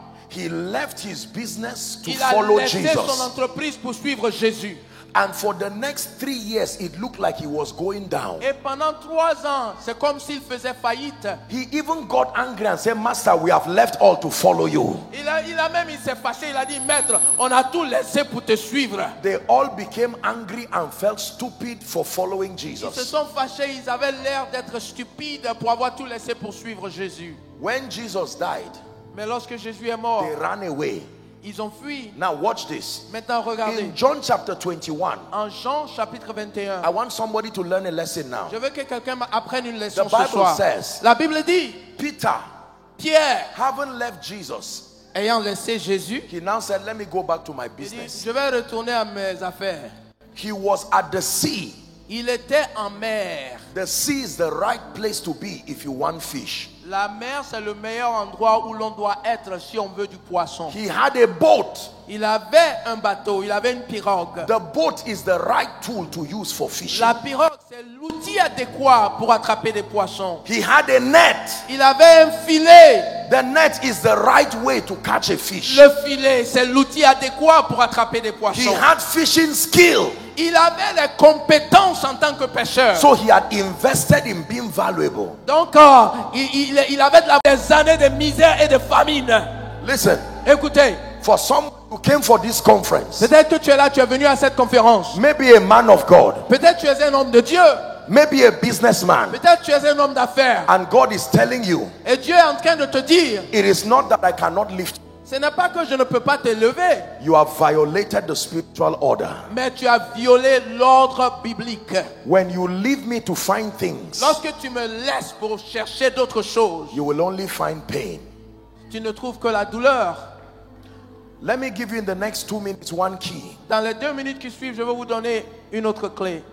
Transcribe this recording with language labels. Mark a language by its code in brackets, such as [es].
[en] He left his business to [fr] il [en] follow a Jesus. [fr] Son entreprise pour suivre Jésus. [en] And for the next 3 years, it looked like he was going down. [fr] Et pendant 3 ans, c'est comme s'il faisait faillite. [en] He even got angry and said, "Master, we have left all to follow you." [fr] Il a même il s'est fâché. Il a dit, "Maître, on a tout laissé pour te suivre." [en] They all became angry and felt stupid for following Jesus. [fr] Ils se sont fâchés. Ils avaient l'air d'être stupides pour avoir tout laissé pour suivre Jésus. [en] When Jesus died, [fr] mais lorsque Jésus est mort, [en] they ran away. [fr] Ils ont fui. [en] Now watch this. [fr] Maintenant, regardez. [en] In John chapter 21. [fr] En Jean chapitre 21. [en] I want somebody to learn a lesson now. [fr] Je veux que quelqu'un apprenne une leçon ce soir. [en] The Bible says. [fr] La Bible dit. [en] Peter. [fr] Pierre. [en] Haven't left Jesus. [fr] Ayant laissé Jésus. [en] He now said, "Let me go back to my business." [fr] Il dit, je vais retourner à mes affaires. [en] He was at the sea. [fr] Il était en mer. [en] The sea is the right place to be if you want fish. [fr] La mer, c'est le meilleur endroit où l'on doit être si on veut du poisson. [en] He had a boat. [fr] Il avait un bateau, il avait une pirogue. [en] The boat is the right tool to use for fishing. [fr] La pirogue, c'est l'outil adéquat pour attraper des poissons. [en] He had a net. [fr] Il avait un filet. [en] The net is the right way to catch a fish. [fr] Le filet, c'est l'outil adéquat pour attraper des poissons. [en] He had fishing skill. [fr] Il avait les compétences en tant que pêcheur. [en] So he had invested in being valuable. [fr] Donc, il avait des années de misère et de famine. [en] Listen. [fr] Écoutez. [en] For some who came for this conference. [fr] Peut-être que tu es là, tu es venu à cette conférence. [en] Maybe a man of God. [fr] Peut-être tu es un homme de Dieu. [en] Maybe a businessman. [fr] Peut-être tu es un homme d'affaires. [en] And God is telling you. [fr] Et Dieu est en train de te dire. [en] It is not that I cannot lift you. [fr] Ce n'est pas que je ne peux pas te lever. [en] You have violated the spiritual order. [fr] Mais tu as violé l'ordre biblique. [en] When you leave me to find things, [fr] lorsque tu me laisses pour chercher d'autres choses, [en] you will only find pain. [fr] Tu ne trouves que la douleur. [en] Let me give you in the next 2 minutes one key. [fr] Dans les 2 minutes qui suivent, je vais vous donner une autre clé.